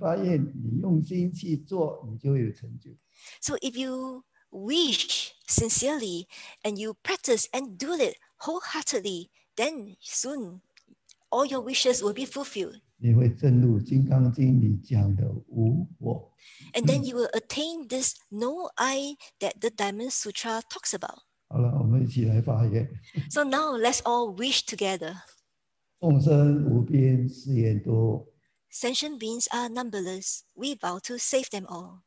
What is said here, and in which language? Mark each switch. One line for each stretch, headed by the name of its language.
Chinese: 如果你很诚心在发愿，我在那边发愿，你用心去做，你就有成就。
English: So if you wish sincerely and you practice and do it wholeheartedly, then soon all your wishes will be fulfilled.
Chinese: 你会证入《金刚经》里讲的无我。
English: And then you will attain this no I that the Diamond Sutra talks about.
Chinese: 好了，我们一起来发愿。
English: So now let's all wish together.
Chinese: 众生无边誓愿多。
English: Sentient beings are numberless. We vow to save them all.